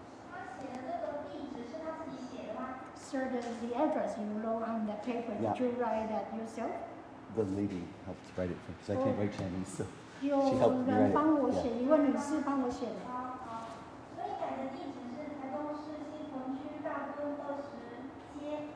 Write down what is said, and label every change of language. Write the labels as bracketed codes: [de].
[zh] 他写的那个地址是他自己写的吗？ [en] Sir, the address you wrote on the paper, yeah. Did you write that yourself? The lady helped write it for me, so I can't write Chinese. So. [zh] 有人帮我写，一位女士帮我写的。所以改的地址是台中市新丰区大墩20街。